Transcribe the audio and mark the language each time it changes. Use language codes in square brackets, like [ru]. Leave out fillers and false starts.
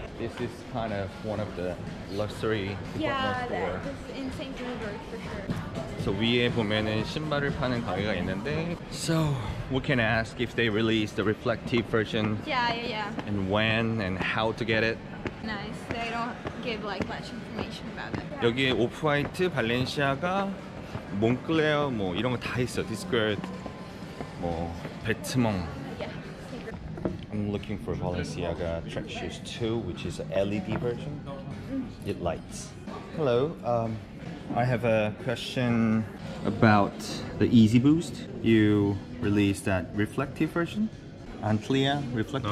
[en] This is kind of one of the luxury department store. Yeah, this is in St. Petersburg for sure. So [ko] 위에 보면은 신발을 파는 가게가 있는데 [en] So we can ask if they release the reflective version. Yeah. And when and how to get it. Nice. They don't give like much information about it. [ko] 여기에 오프화이트, 발렌시아가, 몽클레어 뭐 이런 거 다 있어. 디스크레드 뭐 베트멍. [en] Yeah. I'm looking for Balenciaga track shoes 2 which is a LED version. It lights. Hello. I have a question about the Easy Boost. You released that reflective version? Antlia reflective